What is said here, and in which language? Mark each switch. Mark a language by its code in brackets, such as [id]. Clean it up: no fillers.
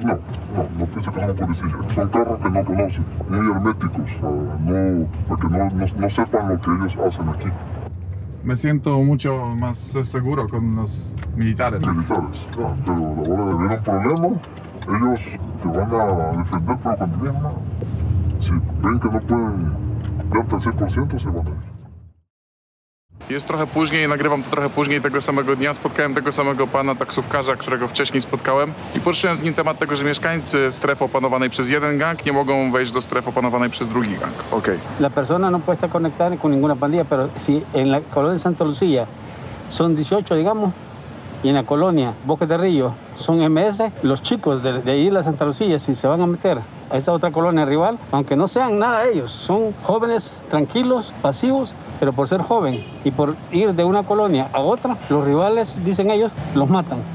[es] No piensan que somos policías. Son carros que no conocen, muy herméticos, para que no sepan lo que ellos hacen aquí. Me siento mucho más seguro con los militares. Militares, ah, pero a la hora de ver un problema, ellos te van a defender, pero cuando vienen, si ven que no pueden darte el 100%, se van a ir. [pl] Jest trochę później, nagrywam to trochę później, tego samego dnia spotkałem tego samego pana taksówkarza, którego wcześniej spotkałem i poruszyłem z nim temat tego, że mieszkańcy strefy opanowanej przez jeden gang nie mogą wejść do strefy opanowanej przez drugi gang. Okej. [es] La persona no puede estar conectada con ninguna pandilla, pero si en la colonia de Santa Lucía son 18, digamos, y en la colonia Bosque de Río son MS, los chicos de ahí de la Santa Lucía, si se van a meter a esa otra colonia rival, aunque no sean nada ellos, son jóvenes tranquilos, pasivos, pero por ser joven y por ir de una colonia a otra, los rivales, dicen ellos, los matan.